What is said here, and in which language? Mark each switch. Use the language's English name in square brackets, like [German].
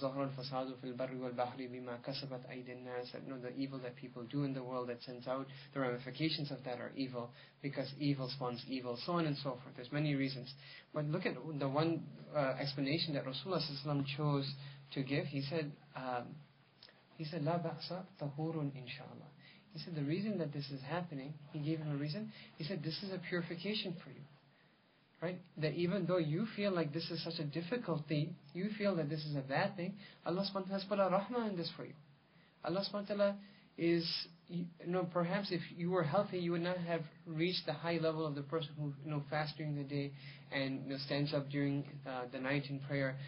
[Arabic] ظَهْرَ الْفَسَادُ فِي الْبَرِّ وَالْبَحْرِ بِمَا كَسَبَتْ أَيْدِ النَّاسِ. [English] You know, the evil that people do in the world that sends out, the ramifications of that are evil, because evil spawns evil, so on and so forth. There's many reasons. But look at the one explanation that Rasulullah ﷺ chose to give. He said, [Arabic] لَا بَأْسَ طَهُورٌ إِنْشَاءَاللَّهِ. [English] He said, the reason that this is happening, he gave him a reason. He said, this is a purification for you. Right? That even though you feel like this is such a difficulty, you feel that this is a bad thing, Allah subhanahu wa ta'ala has put a rahmah in this for you. Allah subhanahu wa ta'ala is, you know, perhaps if you were healthy, you would not have reached the high level of the person who, you know, fasts during the day and, you know, stands up during the night in prayer.